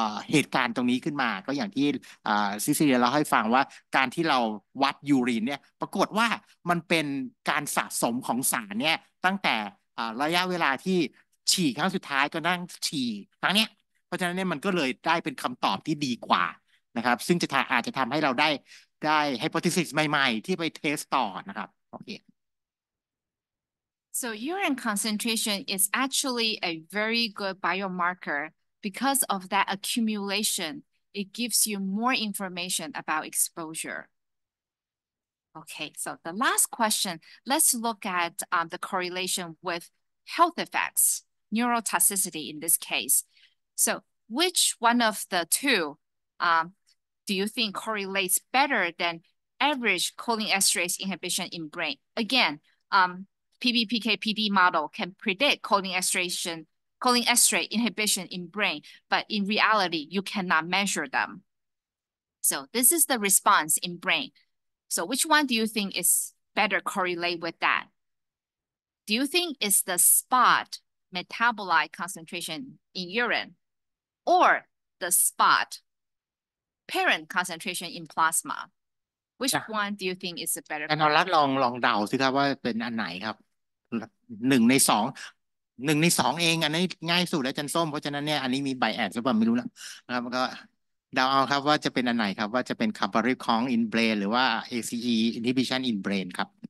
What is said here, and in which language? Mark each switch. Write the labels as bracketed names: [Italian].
[Thai] เหตุการณ์ตรงนี้ขึ้นมาก็อย่างที่ซิซิเลียเราให้ฟังว่าการที่เราวัดยูรีนเนี่ยปรากฏว่ามันเป็นการสะสมของสารเนี่ยตั้งแต่ระยะเวลาที่ฉี่ครั้งสุดท้ายก็นั่งฉี่ครั้งเนี้ยเพราะฉะนั้นเนี่ยมันก็เลยได้เป็นคําตอบที่ดีกว่านะครับซึ่งจะอาจจะทําให้เราได้ไฮโพทีซิสใหม่ๆที่ไปเทสต่อนะครับโอเค [English] So urine concentration is actually a very good biomarker. Because of that accumulation, it gives you more information about exposure. Okay, so the last question, let's look at the correlation with health effects, neurotoxicity in this case. So which one of the two do you think correlates better than average cholinesterase inhibition in brain? Again, PBPK-PD model can predict cholinesterase inhibition in brain, but in reality, you cannot measure them. So this is the response in brain. So which one do you think is better correlate with that? Do you think it's the spot metabolite concentration in urine or the spot parent concentration in plasma? Which one do you think is a better correlate? [Thai] ลองเดาสิครับว่าเป็นอันไหนครับหนึ่งในสองเองอันนี้ง่ายสุดแล้วจันส้มเพราะฉะนั้นเนี่ยอันนี้มีไบแอดหรือเปล่าไม่รู้นะครับก็เดาเอาครับว่าจะเป็นอันไหนครับว่าจะเป็นคาร์บอริคองอินเบรนหรือว่า [English] ACE inhibition in brain [Thai] ครับ